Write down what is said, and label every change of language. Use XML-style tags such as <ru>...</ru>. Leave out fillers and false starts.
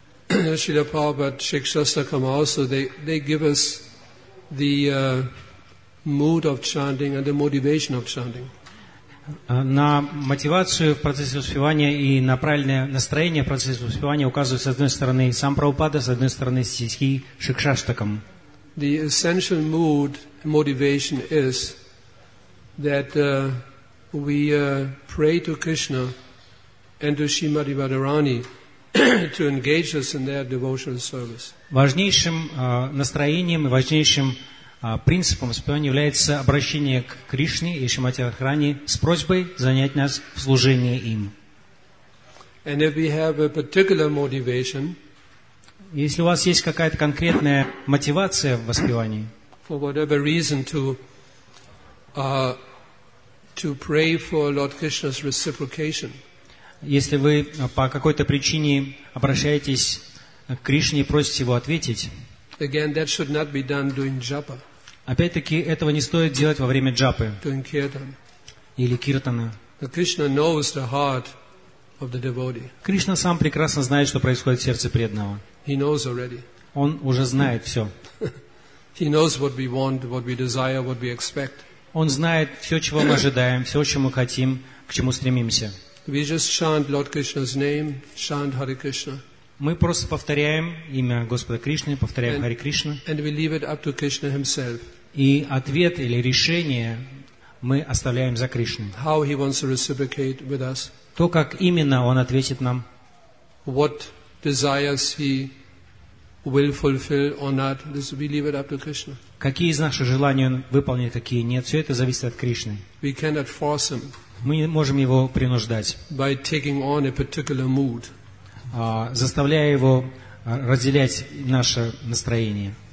<en>Srila Prabhupada, Sheikh Shastakam also, they give us the mood of chanting and the motivation of chanting.</en> <ru>На мотивацию в процессе воспевания и на правильное настроение в процессе воспевания указывает, с одной стороны, сам Прабхупада, с одной стороны, стихи Шикшаштакам.</ru> <en>The essential mood and motivation is that we pray to Krishna and to Srimati Radharani to engage us in their devotional service.</en> <ru>Важнейшим настроением и важнейшим принципом воспевания является обращение к Кришне и Шримати Радхарани с просьбой занять нас в служении им.</ru> <en>And if we have a particular motivation,</en> <ru>если у вас есть какая-то конкретная мотивация в воспевании,</ru> <en>for whatever reason to pray for Lord Krishna's reciprocation.</en> <ru>Если вы по какой-то причине обращаетесь к Кришне и просите его ответить,</ru> <en>again, that should not be done during japa.</en> <ru>Опять-таки, этого не стоит делать во время джапы или киртана.</ru> <en>Krishna knows the heart of the devotee.</en> <ru>Кришна сам прекрасно знает, что происходит в сердце преданного.</ru> <en>He knows already.</en> <ru>Он уже знает все.</ru> <en>He knows what we want, what we desire, what we expect.</en> <ru>Он знает все, чего мы ожидаем, все, чего мы хотим, к чему стремимся.</ru> <en>We just chant Lord Krishna's name, chant Hare Krishna.</en> <ru>Мы просто повторяем имя Господа Кришны, повторяем Hare Krishna.</ru> <en>And we leave it up to Krishna himself.</en> <ru>И ответ или решение мы оставляем за Кришной.</ru> <en>How he wants to reciprocate with us.</en> <ru>То, как именно он ответит нам.</ru> <en>What desires he will fulfill or not, this we leave it up to Krishna.</en> <ru>Какие из наших желаний он выполнит, какие нет, все это зависит от Кришны.</ru> <en>We cannot force him.</en> <ru>Мы не можем его принуждать, заставляя его разделять наше настроение.</ru>